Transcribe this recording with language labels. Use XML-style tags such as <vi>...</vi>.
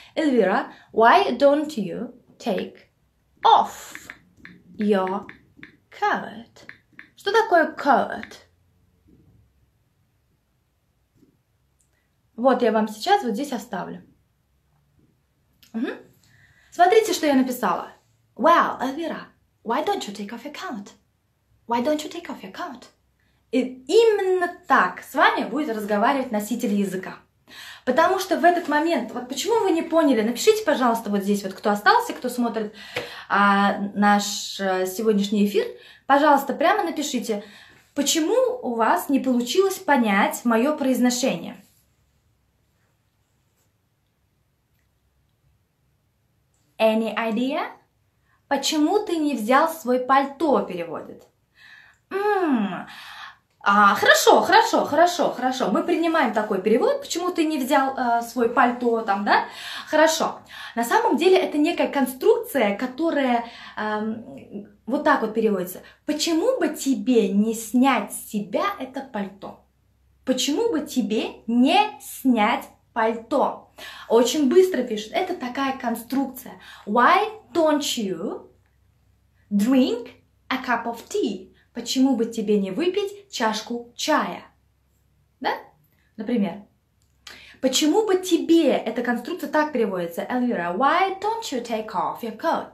<en>Эльвира, why don't you take off your coat?</en> <ru>Что такое coat? Вот я вам сейчас вот здесь оставлю. Угу. Смотрите, что я написала.</ru> <en>Well, Elvira, why don't you take off your coat? Why don't you take off your coat?</en> <ru>И именно так с вами будет разговаривать носитель языка. Потому что в этот момент, вот почему вы не поняли, напишите, пожалуйста, вот здесь, вот кто остался, кто смотрит наш сегодняшний эфир, пожалуйста, прямо напишите, почему у вас не получилось понять мое произношение.</ru> <en>Any idea?</en> <ru>Почему ты не взял свой пальто, переводит. Хорошо. Мы принимаем такой перевод. Почему ты не взял свой пальто там, да? Хорошо. На самом деле это некая конструкция, которая вот так вот переводится. Почему бы тебе не снять с себя это пальто? Почему бы тебе не снять пальто? Очень быстро пишет. Это такая конструкция.</ru> <en>Why don't you drink a cup of tea?</en> <ru>Почему бы тебе не выпить чашку чая? Да? Например. Почему бы тебе... Эта конструкция так переводится.</ru> <en>Elvira, why don't you take off your coat?</en>